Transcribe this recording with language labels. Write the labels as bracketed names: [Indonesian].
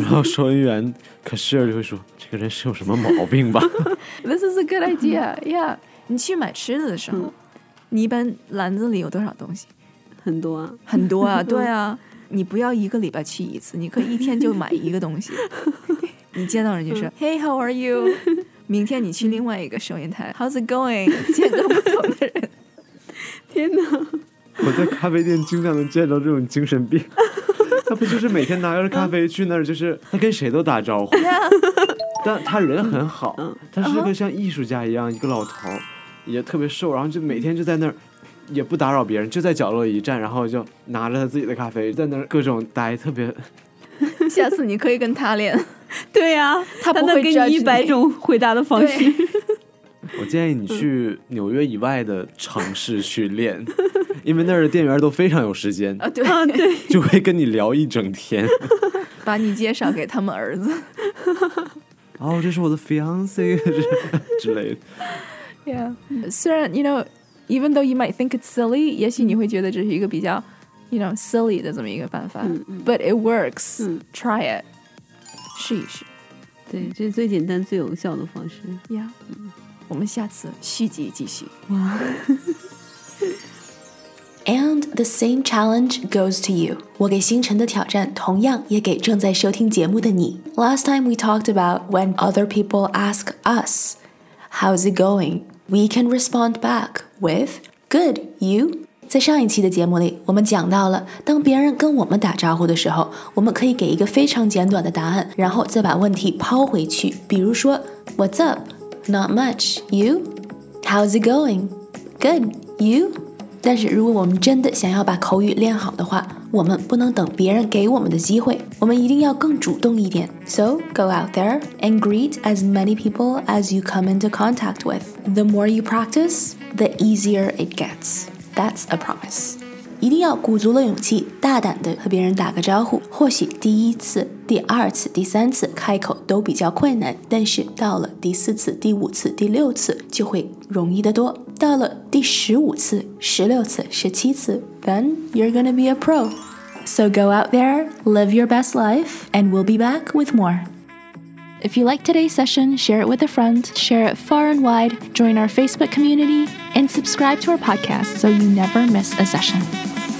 [Chinese] 然后收银员 cashier 就会说这个人是有什么毛病吧。 [English] This is a good idea. [Chinese] Yeah, 你去买吃的的时候、嗯、你一般篮子里有多少东西？很多啊，很多啊，对啊。你不要一个礼拜去一次，你可以一天就买一个东西。你见到人就说 [English] Hey, how are you? [Chinese] 明天你去另外一个收银台 [English] How's it going? [Chinese] 见到不同的人天哪我在咖啡店经常能见到这种精神病他不就是每天拿着咖啡去那儿就是他跟谁都打招呼但他人很好他是个像艺术家一样一个老头也特别瘦然后就每天就在那儿也不打扰别人就在角落一站然后就拿着他自己的咖啡在那儿各种呆特别下次你可以跟他练对呀、啊、他能给你一百种回答的方式我建议你去纽约以外的城市去练因为那儿的店员都非常有时间啊，对对，就会跟你聊一整天把你介绍给他们儿子哦，这是我的 fiancé 之类的 yeah 虽然 [English] you know even though you might think it's silly [Chinese] 也许你会觉得这是一个比较 you know silly 的这么一个办法、嗯、 [English] but it works、嗯、 try it [Chinese] 试一试对这是最简单最有效的方式 yeah、嗯、我们下次续集继续哇 [English] And the same challenge goes to you. [Chinese] 我给星辰的挑战同样也给正在收听节目的你。 [English] Last time we talked about when other people ask us, how's it going? We can respond back with, good, you? [Chinese] 在上一期的节目里，我们讲到了，当别人跟我们打招呼的时候，我们可以给一个非常简短的答案，然后再把问题抛回去。比如说 [English] What's up? Not much. You? How's it going? Good. You? [Chinese] 但是如果我们真的想要把口语练好的话，我们不能等别人给我们的机会，我们一定要更主动一点。 [English] So, go out there and greet as many people as you come into contact with. The more you practice, the easier it gets. That's a promise. [Chinese] 一定要鼓足了勇气，大胆地和别人打个招呼。或许第一次、第二次、第三次开口都比较困难，但是到了第四次、第五次、第六次就会容易得多。到了第十五次、十六次、十七次 [English] then you're gonna be a pro. So go out there, live your best life, and we'll be back with more. If you like today's session, share it with a friend, share it far and wide, join our Facebook community, and subscribe to our podcast so you never miss a session.